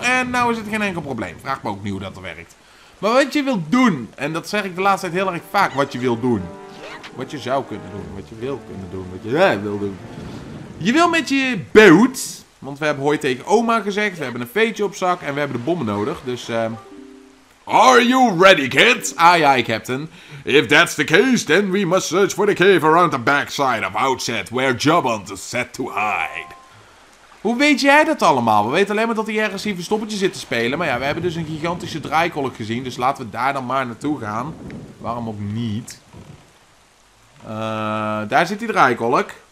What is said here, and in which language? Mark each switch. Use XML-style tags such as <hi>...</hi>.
<nl>En nou is het geen enkel probleem. Vraag me ook niet hoe dat werkt. Maar wat je wilt doen. En dat zeg ik de laatste tijd heel erg vaak. Wat je wilt doen. Wat je zou kunnen doen. Wat je wil kunnen doen. Wat je wil doen. Je wil met je boot. Want we hebben hooi tegen oma gezegd. We hebben een veetje op zak. En we hebben de bommen nodig. Dus</nl> <en>Are you ready, kid? Ah ja, Captain. If that's the case, then we must search for the cave around the backside of Outset, where Jobant is set to hide.</en> <nl>Hoe weet jij dat allemaal? We weten alleen maar dat hij ergens hier verstoppertje zit te spelen. Maar ja, we hebben dus een gigantische draaikolk gezien, dus laten we daar dan maar naartoe gaan. Waarom ook niet? Daar zit die draaikolk.</nl>